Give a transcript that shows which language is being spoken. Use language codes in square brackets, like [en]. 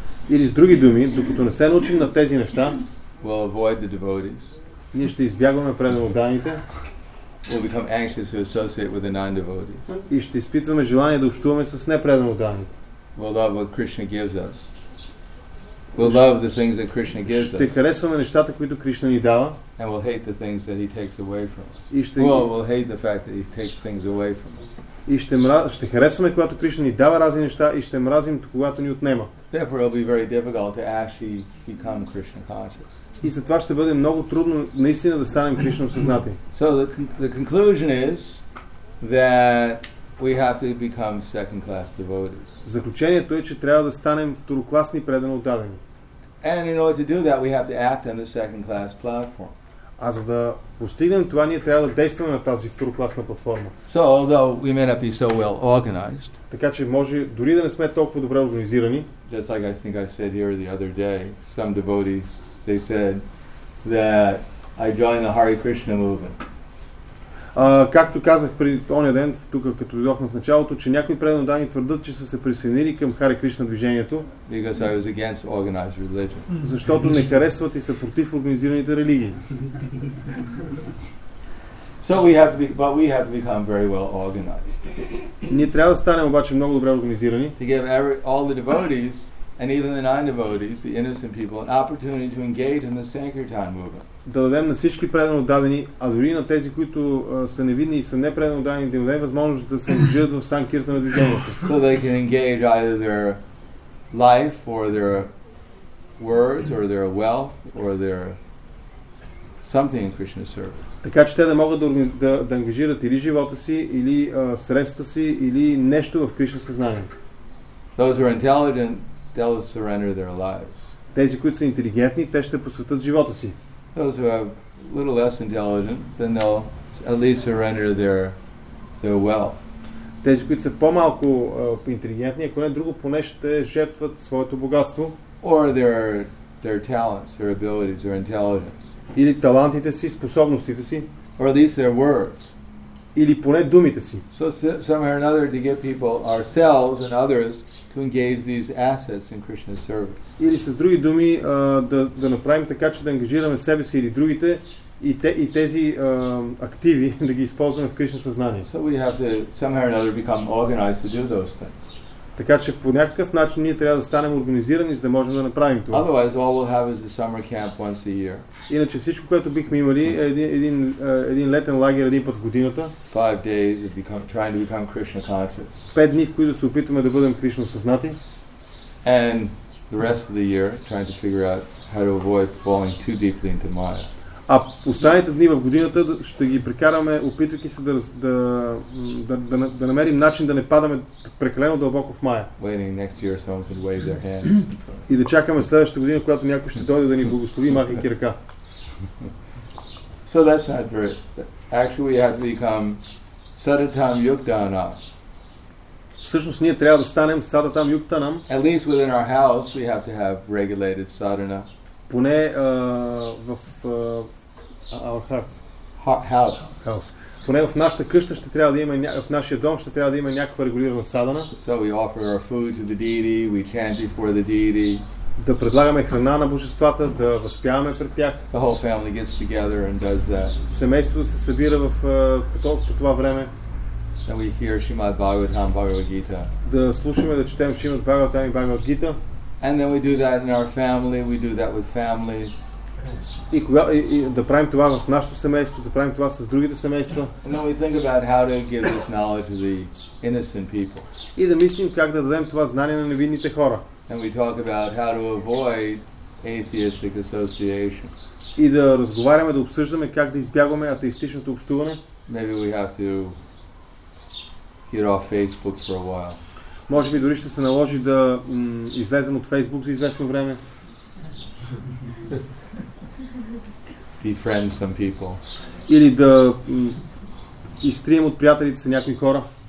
[bg] или с други думи, докато не се научим на тези неща, [en] we'll avoid the devotees, [bg] ние ще избягваме преданоданите, [en] we'll become anxious to associate with the non-devotees, [bg] и ще изпитваме желание да общуваме с непреданоданите. [en] We'll love what Krishna gives us. We'll love the things that Krishna gives us. [bg] Ще харесваме нещата, които Кришна ни дава. [en] And we'll hate the things that he takes away from us. We'll hate the fact that he takes things away from us. [bg] И ще харесваме, когато Кришна ни дава разни неща, и ще мразим, когато ни отнема. [en] Therefore, it'll be very difficult to actually become Krishna conscious. [bg] И затова ще бъде много трудно наистина да станем Кришна осъзнати. [en] So the conclusion is that we have to become second-class devotees. [bg] Заключението е, че трябва да станем второкласни предано отдадени. [en] And in order to do that, we have to act on the second-class platform. [bg] А за да постигнем това, ние трябва да действаме на тази второкласна платформа. [en] So although we may not be so well organized. [bg] Така че може дори да не сме толкова добре организирани. [en] Just like I think I said here the other day, some devotees they said that I joined the Hare Krishna movement. [bg] Както казах при оня ден, тук като дойдохме в началото, че някои предано дани твърдат, че са се присъединили към Харе Кришна движението. [en] Because I was against organized religion. [bg] Защото не харесват и са против организираните религии. [en] So we have to be, but we have to become very well organized. [bg] Ние трябва да станем обаче много добре организирани. [en] To give all the devotees and even the non-devotees, the innocent people, an opportunity to engage in the Sankirtan movement. [bg] Да дадем на всички предано дадени, а дори на тези, които са невидни и са непредано дадени, да им дадем възможност да се живеят в санкирта на движението. [en] So they can engage either their life or their words or their wealth or their something in Krishna's service. [bg] Така че те да могат да ангажират или живота си, или средства си, или нещо в Кришна съзнание. [en] Those who are intelligent, they'll surrender their lives. [bg] Тези, които са интелигентни, те ще посветят живота си. [en] Those who are a little less intelligent, then they'll at least surrender their wealth. [bg] Тези, които са по-малко интелигентни, ако не друго, поне ще жертват своето богатство. [en] Or their talents, their abilities, their intelligence. [bg] Или талантите си, способностите си. [en] Or at least their words. [bg] Или поне думите си. [en] So somehow or another to get people, ourselves and others, to engage these assets in Krishna's service. [bg] Или с други думи, да направим така, че да ангажираме себе си или другите и тези активи да ги използваме в Кришна съзнание. [en] So we have to somehow or another become organized to do those things. [bg] Така че по някакъв начин ние трябва да станем организирани, за да можем да направим това. [en] Otherwise, all we'll have is a summer camp once a year. [bg] Иначе всичко, което бихме имали, е един летен лагер един път в годината. [en] 5 days of trying to become Krishna conscious. [bg] 5 дни, в които се опитваме да бъдем Кришна осъзнати. [en] And the rest of the year trying to figure out how to avoid falling too deeply into Maya. [bg] А останалите дни в годината ще ги прекараме, опитвайки се да намерим начин да не падаме прекалено дълбоко в мая. [en] Waiting next year someone could wave their hand. [bg] И да чакаме следващата година, когато някой ще дойде да ни благослови, махайки ръка. [en] So that's not true. Actually, we have to become Satatam Yukdana. [bg] всъщност ние трябва да станем [sa] садатам юктанам. [en] At least within our house we have to have regulated sadhana. [bg] Поне в [en] our house. [bg] Поне в нашата къща ще трябва да има, в нашия дом ще трябва да има някаква регулирана садана. [en] So we offer our food to the deity, we chant before the deity. [bg] Да предлагаме храна на божествата, да възпяваме пред тях. [en] The whole family gets together and does that. [bg] Семейството се събира в по това време. [en] And we hear Shrimad Bhagavatam, Bhagavad Gita. [bg] Да слушаме, да четем Shrimad Bhagavatam и Bhagavad Gita. [en] And then we do that in our family, we do that with families. [bg] И кога, и да правим това в нашето семейство, да правим това с другите семейства. [en] And then we think about how to give this knowledge to the innocent people. [bg] И да мислим как да дадем това знание на невинните хора. [en] And we talk about how to avoid atheistic association. [bg] И да разговаряме, да обсъждаме как да избягваме атеистичното общуване. [en] Maybe we have to get off Facebook for a while. [bg] Може би дори ще се наложи да излезем от Facebook за известно време. [en] Befriend some people. [bg] Или да изтрием от приятелите си някои хора.